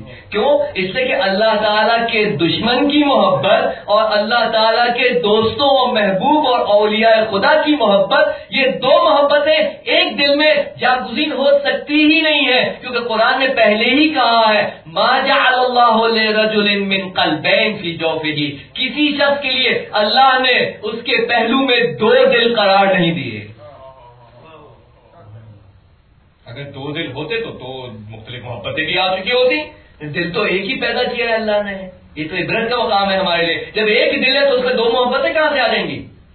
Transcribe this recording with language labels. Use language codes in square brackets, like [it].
[ur] کیوں؟ اس سے کہ اللہ تعالیٰ کے دشمن کی محبت اور اللہ تعالیٰ کے دوستوں اور محبوب اور اولیاء خدا کی محبت, یہ دو محبتیں ایک دل میں جاگزین ہو سکتی ہی نہیں ہے. کیونکہ قرآن نے پہلے ہی کہا ہے [ar] ما جعل اللہ لرجل من قلبین فی جوفہ, [ur] کسی شخص کے لیے اللہ نے اس کے پہلو میں دو دل قرار نہیں دیے. اگر دو دل ہوتے تو دو مختلف محبتیں بھی آ چکی ہوتی. دل تو ایک ہی پیدا کیا ہے اللہ نے, یہ تو عبرت کا مقام ہے ہمارے لیے. جب ایک ہی دل ہے تو اس میں دو محبتیں کہاں سے آ جائیں گی؟